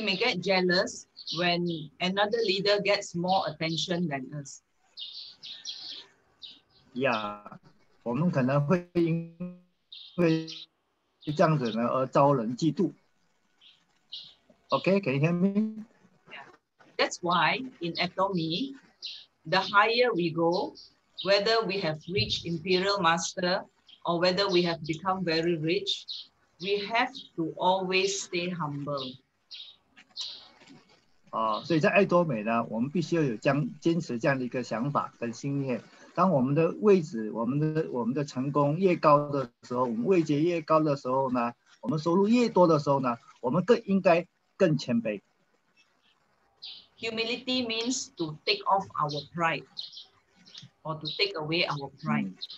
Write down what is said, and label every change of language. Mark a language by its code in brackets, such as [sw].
[en] may get jealous when another leader gets more attention than us. [zh] Yeah, 我们可能会因为这样子呢而招人嫉妒。 [en] Okay, can you hear me? That's why in Atomy, the higher we go, whether we have reached Imperial Master or whether we have become very rich, we have to always stay humble. [zh] 所以在爱多美呢，我们必须要有坚持这样的一个想法跟信念。当我们的位置、我们的成功越高的时候，我们位阶越高的时候呢，我们收入越多的时候呢，我们更应该。更谦卑。 [en] Humility means to take off our pride or to take away our pride.